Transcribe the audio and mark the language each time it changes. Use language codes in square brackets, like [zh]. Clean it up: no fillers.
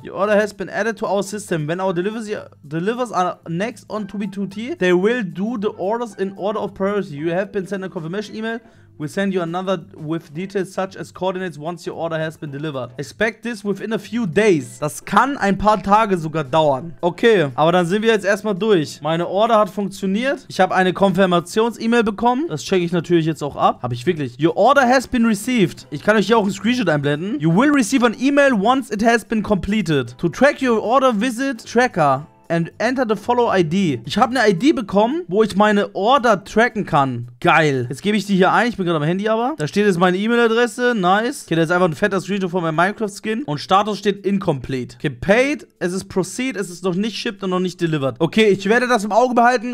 [en] Your order has been added to our system. When our delivers are next on 2B2T, they will do the orders in order of priority. You have been sent a confirmation email. We send you another with details such as coordinates once your order has been delivered. Expect this within a few days. [de] Das kann ein paar Tage sogar dauern. Okay, aber dann sind wir jetzt erstmal durch. Meine Order hat funktioniert. Ich habe eine Konfirmations-E-Mail bekommen. Das checke ich natürlich jetzt auch ab. Habe ich wirklich. [en] Your order has been received. [de] Ich kann euch hier auch ein Screenshot einblenden. [en] You will receive an email once it has been completed. To track your order, visit Tracker. And enter the follow ID. [de] Ich habe eine ID bekommen, wo ich meine Order tracken kann. Geil. Jetzt gebe ich die hier ein. Ich bin gerade am Handy aber. Da steht jetzt meine E-Mail-Adresse. Nice. Okay, da ist einfach ein fetter Screenshot von meinem Minecraft-Skin. Und Status steht incomplete. Okay, paid. Es ist proceed. Es ist noch nicht shipped und noch nicht delivered. Okay, ich werde das im Auge behalten.